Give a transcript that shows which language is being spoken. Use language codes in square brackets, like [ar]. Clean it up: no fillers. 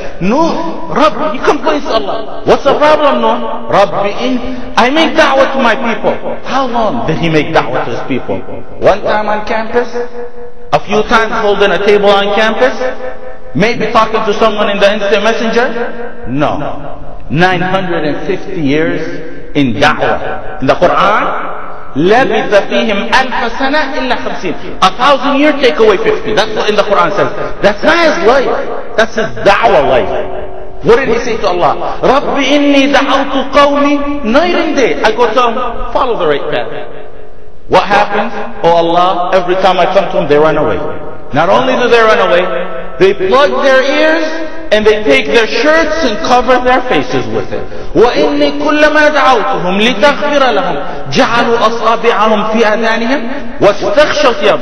[en] Nuh, Rabbi, he complains to Allah. What's the problem, Nuh? Rabbi, I make da'wah to my people. How long did he make da'wah to his people? One time on campus? A few times holding a table on campus? Maybe talking to someone in the instant messenger? No. 950 years in da'wah. In the Quran, [ar] لَبِثَ فِيهِمْ أَلْفَ سَنَةٍ إِلَّا خَمْسِينَ. [en] 1,000 years take away 50. That's what in the Quran says. That's not his life. That's his da'wah life. What did he say to Allah? [ar] رَبِّ إِنِّي دَعَوْتُ قَوْمِي [en] night and day. I go to him, follow the right path. What happens? Oh Allah, every time I come to him, they run away. Not only do they run away, they plug their ears and they take their shirts and cover their faces with it. [ar] وَإِنِّي كُلَّمَا دَعَوْتُهُمْ لِتَغْفِرَ لَهُمْ جَعَلُوا أَصَابِعَهُمْ فِي أَذَانِهِمْ وَاسْتَخْشَوْا ثِيَابَهُمْ.